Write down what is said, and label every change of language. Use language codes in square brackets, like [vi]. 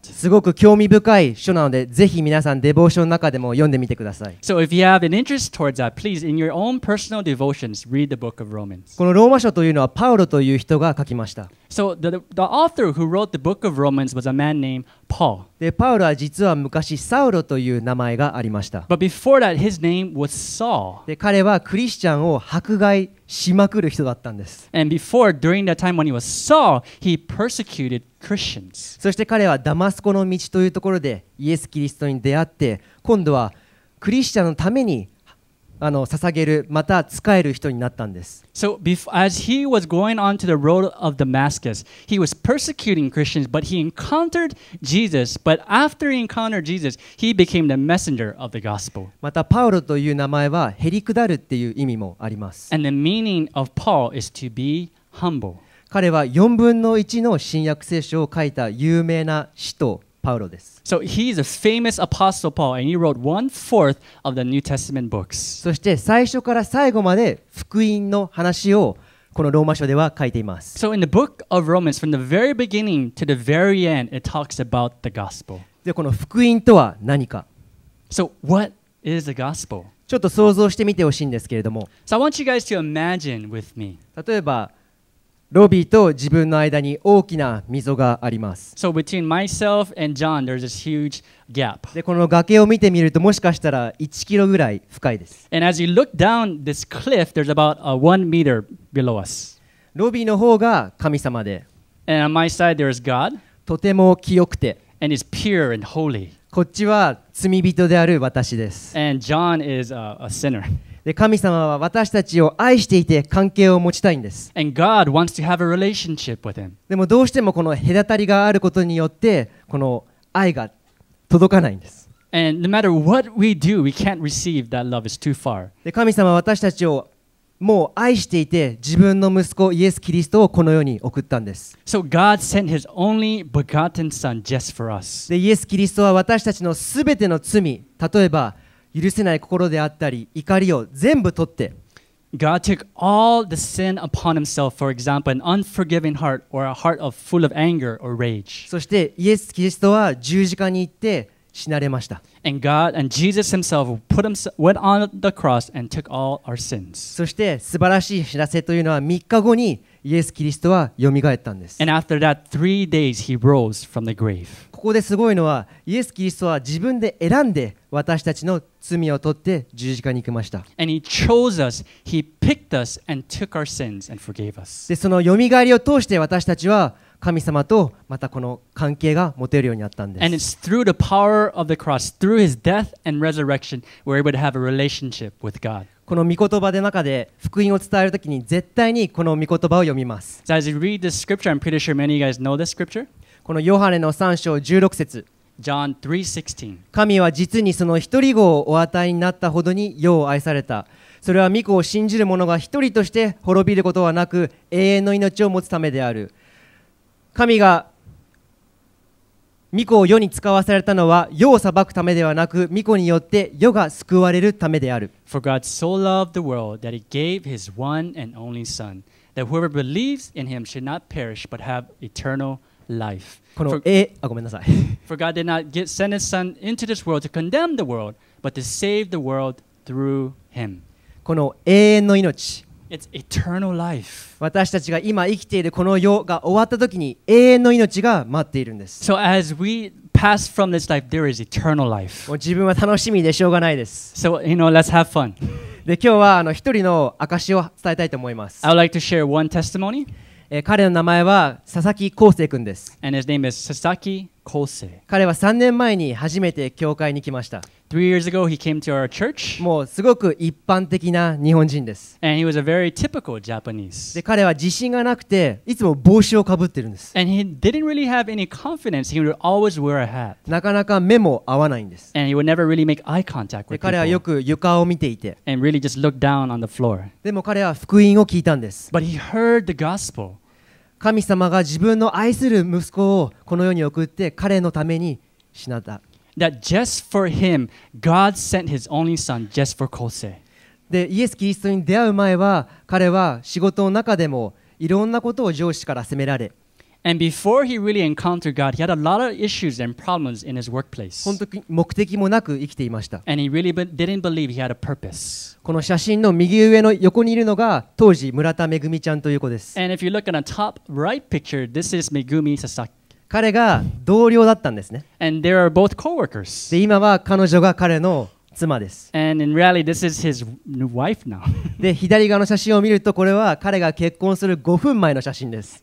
[ja] すごく興味深い書なので、ぜひ皆さんデボーションの中でも読んでみてください。 [en] So if you have an interest towards that, please, in your own personal devotions, read the book of Romans. [ja] このローマ書というのはパウロという人が書きました。 [en] So the author who wrote the book of Romans was a man named Paul. [ja] で、パウロは実は昔サウロという名前がありました。 [en] But before that, his name was Saul. [ja] で、彼はクリスチャンを迫害しまくる人だったんです。 [en] And before, during that time when he was Saul, he persecuted Christians. [ja] そして彼はダマスコの道というところでイエス・キリストに出会って、今度はクリスチャンのために捧げる、また使える人になったんです。 [en] So as he was going on to the road of Damascus, he was persecuting Christians, but he encountered Jesus. But after he encountered Jesus, he became the messenger of the gospel. [ja] またパウロという名前はへりくだるっていう意味もあります。 [en] And the meaning of Paul is to be humble. [ja] 彼は4分の1の新約聖書を書いた有名な使徒パウロです。 [en] So he's a famous apostle Paul, and he wrote one-fourth of the New Testament books. [ja] そして最初から最後まで福音の話をこのローマ書では書いています。 [en] So in the book of Romans, from the very beginning to the very end, it talks about the gospel. [ja] で、この福音とは何か。 [en] So what is the gospel? [ja] ちょっと想像してみてほしいんですけれども。 [en] So I want you guys to imagine with me. [ja] 例えばロビーと自分の間に大きな溝があります。 [en] So between myself and John, there's this huge gap. [ja] で、この崖を見てみると、もしかしたら1キロぐらい深いです。 [en] And as you look down this cliff, there's about a 1 meter below us. [ja] ロビーの方が神様で、 [en] And on my side, there's God. [ja] とても清くて、 [en] And is pure and holy. [ja] こっちは罪人である私です。 [en] And John is a sinner. [ja] で、神様は私たちを愛していて関係を持ちたいんです。 [en] And God wants to have a relationship with him. [ja] でもどうしてもこの隔たりがあることによってこの愛が届かないんです。 [en] And no matter what we do, we can't receive that love. It's too far. [ja] で、神様は私たちをもう愛していて自分の息子イエス・キリストをこの世に送ったんです。 [en] So God sent his only begotten son just for us. [ja] で、イエス・キリストは私たちのすべての罪、例えば許せない心であったり怒りを全部取って [en] God took all the sin upon himself, for example, an unforgiving heart or a heart of full of anger or rage. [ja] そしてイエス・キリストは十字架に行って死なれました。 [en] And God and Jesus himself went on the cross and took all our sins. [ja] そして素晴らしい知らせというのは3日後にイエス・キリストは蘇ったんです。 [en] And after that, 3 days he rose from the grave. [ja] ここですごいのはイエス・キリストは自分で選んで私たちの罪を取って十字架に行きました。 [en] And he chose us, he picked us and took our sins and forgave us. [ja] で、その蘇りを通して私たちは神様とまたこの関係が持てるようになったんです。 [en] And it's through the power of the cross, through his death and resurrection, we're able to have a relationship with God. [ja] この御言葉の中で福音を伝えるときに絶対にこの御言葉を読みます。 [en] So as you read this scripture, I'm pretty sure many of you guys know this scripture. [ja] このヨハネの3章16節、 [en] John 3:16. [ja] 神は実にその一人子をお与えになったほどに世を愛された。それは御子を信じる者が一人として滅びることはなく永遠の命を持つためである。神が御子を世に使わされたのは世を裁くためではなく御子によって世が救われるためである。 [en] For God so loved the world that he gave his one and only son, that whoever believes in him should not perish but have eternal life. [ja] この A、あ、ごめんなさい。 [en] For God did not send his son into this world to condemn the world, but to save the world through him. [ja] この永遠の命。 [en] It's eternal life. [ja] 私たちが今生きているこの世が終わった時に永遠の命が待っているんです。 [en] So as we pass from this life, there is eternal life. [ja] もう自分は楽しみでしょうがないです。 [en] So, you know, let's have fun. [ja] で、今日は一人の証を伝えたいと思います。 [en] I would like to share one testimony. [ja] 彼の名前は佐々木康生くんです。 [en] And his name is Sasaki Kosei. [ja] 彼は3年前に初めて教会に来ました。 [en] 3 years ago he came to our church. [ja] もうすごく一般的な日本人です。 [en] And he was a very typical Japanese. [ja] で、彼は自信がなくていつも帽子をかぶってるんです。 [en] And he didn't really have any confidence. He would always wear a hat. [ja] なかなか目も合わないんです。 [en] And he would never really make eye contact with people. [ja] で、彼はよく床を見ていて。 [en] And really just looked down on the floor. [ja] でも彼は福音を聞いたんです。 [en] But he heard the gospel. [ja] 神様が自分の愛する息子をこの世に送って彼のために死なた。 [en] That just for him, God sent his only son just for Kosei. [ja] で、イエス・キリストに出会う前は彼は仕事の中でもいろんなことを上司から責められ。 [en] And before he really encountered God, he had a lot of issues and problems in his workplace. [ja] 本当に目的もなく生きていました。 [en] And he really didn't believe he had a purpose. [ja] この写真の右上の横にいるのが当時村田めぐみちゃんという子です。 [en] And if you look at the top right picture, this is Megumi Sasaki. [ja] 彼が同僚だったんですね。 [en] And they are both co-workers. [ja] で、今は彼女が彼の妻です。 [en] And in reality, this is his new wife now. [ja] で、左側の写真を見ると、これは彼が結婚する5分前の写真です。